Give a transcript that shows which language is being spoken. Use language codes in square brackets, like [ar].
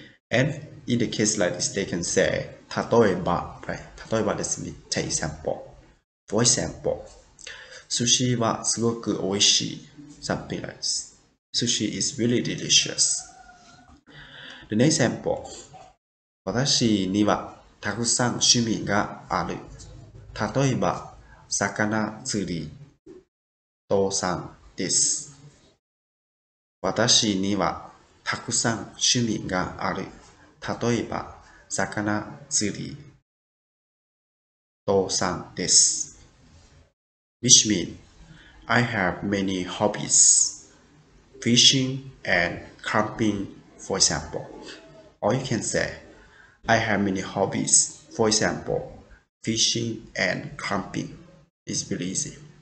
[en] and in the case like this they can say 例えば right 例えば this means take sample for example [ja] sushi wa sugoku oishii [en] something like this sushi is really delicious the next sample [ja] 私にはたくさん趣味がある。例えば、魚釣り、登山です。私にはたくさん趣味がある。例えば、魚釣り、登山です。 [en] Which means, I have many hobbies, fishing and camping, for example. Or you can say,I have many hobbies, for example, fishing and camping. It's very easy.